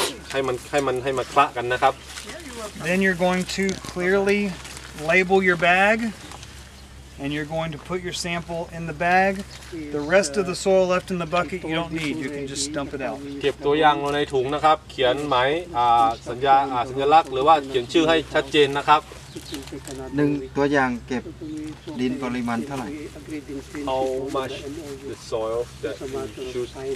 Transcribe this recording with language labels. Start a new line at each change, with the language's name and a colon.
Thai: แล้วก็ได้จุดอื่นมาก็มารวมๆกันนะครับให้มันคละกันนะครับ
English: Then you're going to clearly label your bag and you're going to put your sample in the bag the rest of the soil left in the bucket you don't need you can just dump it out
Thai: เก็บตัวอย่างลงในถุงนะครับเขียนหมายสัญญาสัญลักษณ์หรือว่าเขียนชื่อให้ชัดเจนนะครับ 1 ตัวอย่างเก็บดินปริมาณเท่าไหร่
English: How much the soil that you choose